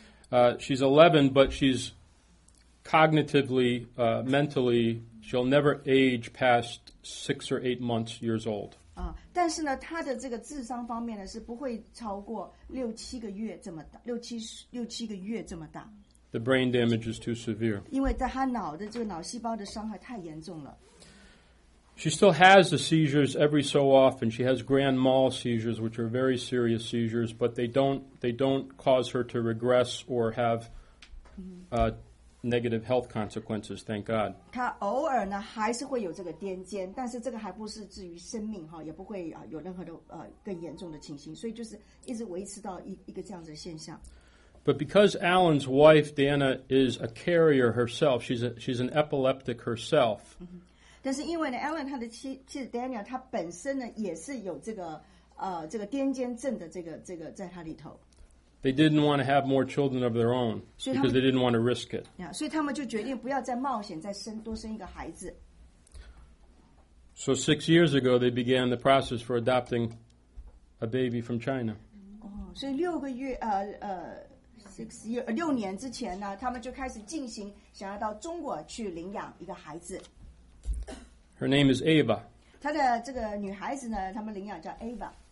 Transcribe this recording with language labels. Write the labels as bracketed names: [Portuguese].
[English] She's 11, but she's cognitively, mentally, she'll never age past 6 or 8 months years old. [Chinese] 但是呢，她的这个智商方面呢，是不会超过六七个月这么大，六七个月这么大。 [English] The brain damage is too severe. [Chinese] 因为在她脑的这个脑细胞的伤害太严重了。 [English] She still has the seizures every so often. She has grand mal seizures, which are very serious seizures, but they don't cause her to regress or have negative health consequences, thank God. [Chinese] 她偶尔呢还是会有这个癫痫，但是这个还不是至于生命，也不会有任何的更严重的情形，所以就是一直维持到一个这样子的现象。 [English] But because Alan's wife, Dana, is a carrier herself, she's an epileptic herself. [Chinese] 但是因为呢 ，Alan 他的妻子 Daniel， 他本身呢也是有这个癫痫症的这个在他里头。 [English] They didn't want to have more children of their own because they didn't want to risk it. [Chinese] 所以他们就决定不要再冒险再生多生一个孩子。 [English] So 6 years ago, they began the process for adopting a baby from China. [Chinese] 所以六年之前呢，他们就开始进行想要到中国去领养一个孩子。 [English] Her name is Ava. [Chinese] 她的这个女孩子呢，他们领养叫 Ava.